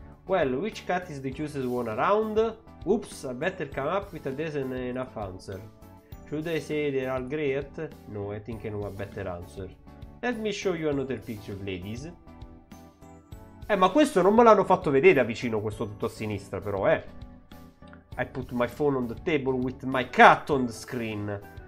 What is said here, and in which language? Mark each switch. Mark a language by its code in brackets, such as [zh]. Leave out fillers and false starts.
[en] Well, which cat is the cutest one around? Oops, I better come up with a decent enough answer. Should I say they're all great? No, I think I know a better answer. Let me show you another picture, ladies. [it] Ma questo non me l'hanno fatto vedere da vicino, questo tutto a sinistra, però, eh. [en] I put my phone on the table with my cat on the screen.